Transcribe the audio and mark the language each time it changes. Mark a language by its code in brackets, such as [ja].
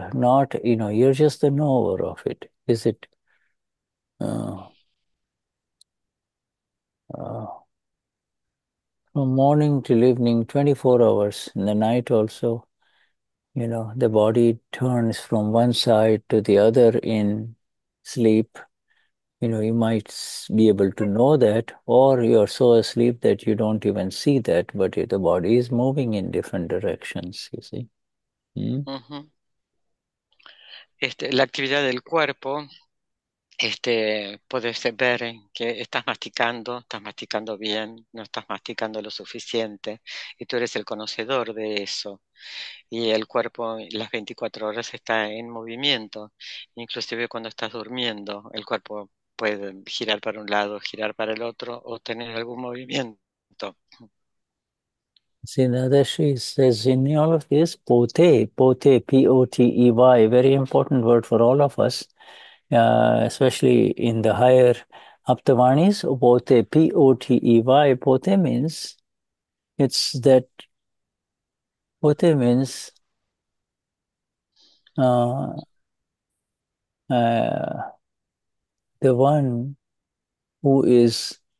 [en] Not, you know, you're just the knower of it. Is it? From morning till evening, 24 hours in the night also, you know, the body turns from one side to the other in sleep. You know, you might be able to know that, or you're so asleep that you don't even see that, but the body is moving in different directions, you see. [es] La actividad del cuerpo, puedes ver que estás masticando bien, no estás masticando lo suficiente, y tú eres el conocedor de eso. Y el cuerpo las 24 horas está en movimiento, inclusive cuando estás durmiendo, el cuerpo puede girar para un lado, girar para el otro o tener algún movimiento. [en] Sinadashi says in all of this, pote, pote, P-O-T-E-Y, very important word for all of us, especially in the higher Aptavanis, pote, P-O-T-E-Y, pote means, it's that, pote means, the one who is